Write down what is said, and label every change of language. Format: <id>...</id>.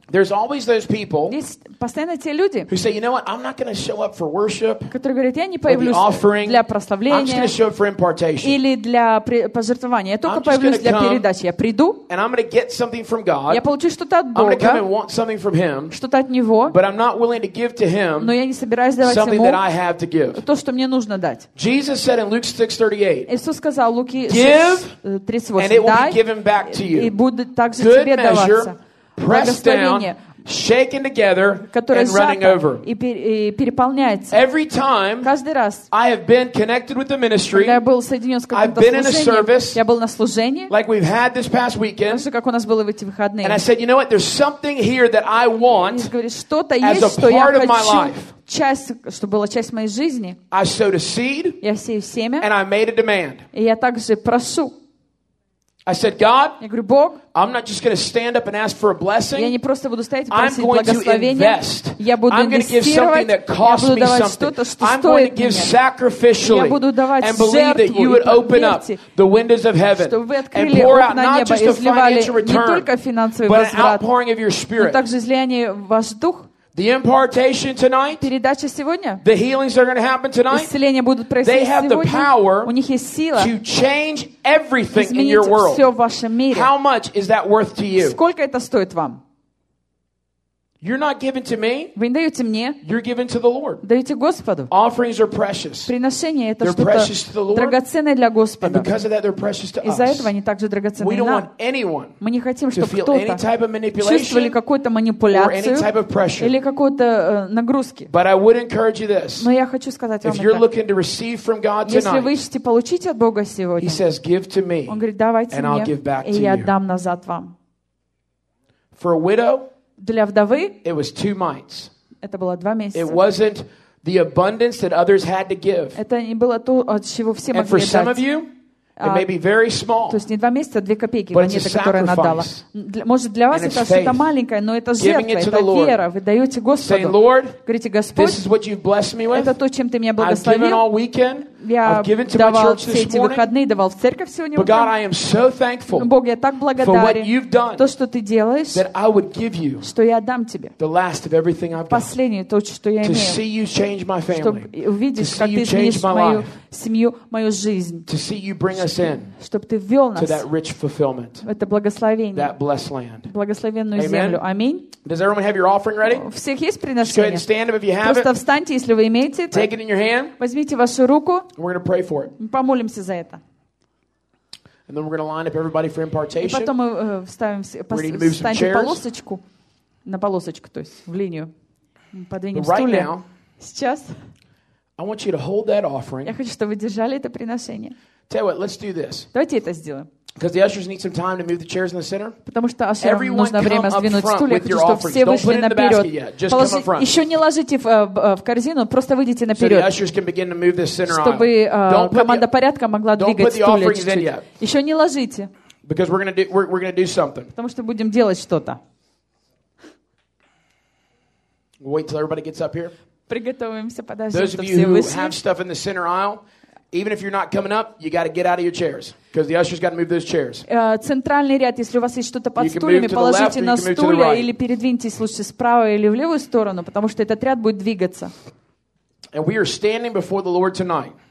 <en>There's always those people.</en> <ru>Есть постоянно те люди,</ru> <en>who say, you know what, I'm not going to show up for worship.</en> <ru>Которые говорят, я не появлюсь для прославления.</ru> <en>I'm just going to show up for impartation.</en> <ru>Или для пожертвования. Я только появлюсь для передачи. Я приду,</ru> <en>and I'm going to get something from God.</en> <ru>Я получу что-то от Бога.</ru> <en>I'm going to come and want something from him.</en> <ru>Что-то от него.</ru> <en>But I'm not willing to give to him.</en> <ru>Но я не собираюсь давать</ru> <en>something</en> <ru>ему</ru> <en>that I have to give.</en> <ru>То, что мне нужно дать.</ru> <en>Jesus said in Luke 6:38.</en> <ru>Иисус сказал в Луки 6:38.</ru> <en>And it will be given back to you.</en> <ru>И будет также</ru> <en>good</en> <ru>тебе</ru> <en>measure,</en> <ru>даваться.</ru> <en>Pressed down, shaken together, and running over.</en> <ru>И переполняется.</ru> <en>Every time</en> <ru>каждый раз,</ru> <en>I have been connected with the ministry,</en> <ru>когда я был соединен с каким-то</ru> <en>I've been in a service,</en> <ru>я был на служении,</ru> <en>like we've had this past weekend,</en> <ru>даже как у нас было в эти выходные.</ru> <en>And I said, you know what, there's something here that I want</en> <ru>что-то есть,</ru> <en>as a part</en> <ru>что я</ru> <en>of my life.</en> <ru>Часть, что была часть моей жизни.</ru> <en>I sowed a seed,</en> <ru>я сею семя,</ru> <en>and I made a demand.</en> <ru>И я также прошу.</ru> <en>I said, God,</en> <ru>я говорю, Бог,</ru> <en>I'm not just going to stand up and ask for a blessing.</en> <ru>Я не просто буду стоять и просить благословения. Я буду инвестировать. Я буду давать что-то, что стоит мне.</ru> <en>I'm going to give sacrificially.</en> <ru>Я буду давать жертву.</ru> <en>And believe that you would open up the windows of heaven.</en> <ru>Чтобы вы открыли окна неба и изливали не только финансовый возврат,</ru> <en>but an outpouring of your spirit.</en> <ru>Но также изливание ваш дух.</ru> <en>The impartation tonight.</en> <ru>Передача сегодня.</ru> <en>The healings are going to happen tonight.</en> <ru>Исцеления будут происходить сегодня.</ru> <en>They have the power.</en> <ru>У них есть сила.</ru> <en>To change everything in your world.</en> <ru>Изменить все в вашем мире.</ru> <en>How much is that worth to you?</en> <ru>Сколько это стоит вам?</ru> <en>You're not giving to me.</en> <ru>Вы не даете мне.</ru> <en>You're giving to the Lord.</en> <ru>Даете Господу.</ru> <en>Offerings are precious.</en> <ru>Приношения это что-то драгоценное для Господа.</ru> <en>And because of that, they're precious to us.</en> <ru>Из-за этого они также драгоценны нам.</ru> <en>We don't want anyone.</en> <ru>Мы не хотим, чтобы кто-то чувствовали какую-то манипуляцию</ru> <en>or any type of pressure.</en> <ru>Или какую-то нагрузки.</ru> <en>But I would encourage you this.</en> <ru>Но я хочу сказать вам это.</ru> <en>If you're looking to receive from God tonight,</en> <ru>если вы ищете получить от Бога сегодня,</ru> <en>He says, "Give to me."</en> <ru>Он говорит, давайте мне,</ru> <en>and I'll give back to</en> <ru>и</ru> <en>you.</en> <ru>Я отдам назад вам.</ru> <en>For a widow.</en> <ru>Для вдовы</ru> <en>it was 2 mites.</en> <ru>Это было 2 месяца.</ru> <en>It wasn't the abundance that others had to give.</en> <ru>Это не было то, от чего все могли</ru> <en>and for</en> <ru>дать.</ru> <en>Some of you, it may be very small.</en> <ru>То есть не 2 месяца, а 2 копейки</ru> <en>but</en> <ru>монета, которую она дала. Может, для вас</ru> <en>and</en> <ru>это что-то маленькое, но это</ru> <en>giving</en> <ru>жертва, это вера. Вы даете Господу. Saying, Lord, говорите, Господь, this is what you've blessed me with. Это то, чем ты меня благословил. I've given all weekend. Я давал все эти выходные, давал в церковь сегодня утром. Но, Бог, я так благодарен то, что ты делаешь, что я дам тебе последнюю то, что я имею, чтобы увидеть, как ты изменишь мою семью, мою жизнь, чтобы ты ввел нас в это благословение, в благословенную землю. Аминь. У всех есть приношение? Просто встаньте, если вы имеете это. Возьмите вашу руку.</ru> <en>We're going to pray for it.</en> <ru>Мы помолимся за это.</ru> <en>And then we're going to line up everybody for impartation.</en> <ru>И потом мы вставим, встанем полосочку. на полосочку, то есть в линию. Подвинем стулья. Сейчас.</ru> <en>I want you to hold that offering.</en> <ru>Я хочу, чтобы вы держали это приношение.</ru> <en>Tell you what, let's do this.</en> <ru>Давайте это сделаем.</ru> <en>Because the ushers need some time to move the chairs in the center.</en> <ru>Потому что ushers нужно время сдвинуть стулья, хочу, чтобы все вышли наперед. Еще не ложите в корзину, просто выйдите наперед.</ru> <en>So the ushers can begin to move this center.</en> <ru>Чтобы команда порядка могла двигать стулья чуть-чуть. Еще не ложите.</ru> <en>Because we're gonna do something.</en> <ru>Потому что будем делать что-то.</ru> <en>Wait till everybody gets up here.</en> <ru>Приготовимся, подождем,</ru> <en>those of you</en> <ru>все</ru> <en>who</en> <ru>вышли.</ru> <en>Have stuff in the center aisle, even if you're not coming up, you got to get out of your chairs because the ushers got to move those chairs.</en> <ru>Центральный ряд, если у вас есть что-то под стульями, положите на стулья или передвиньтесь лучше справа или в левую сторону, потому что этот ряд будет двигаться.</ru> <en>And we are standing before the Lord tonight.</en>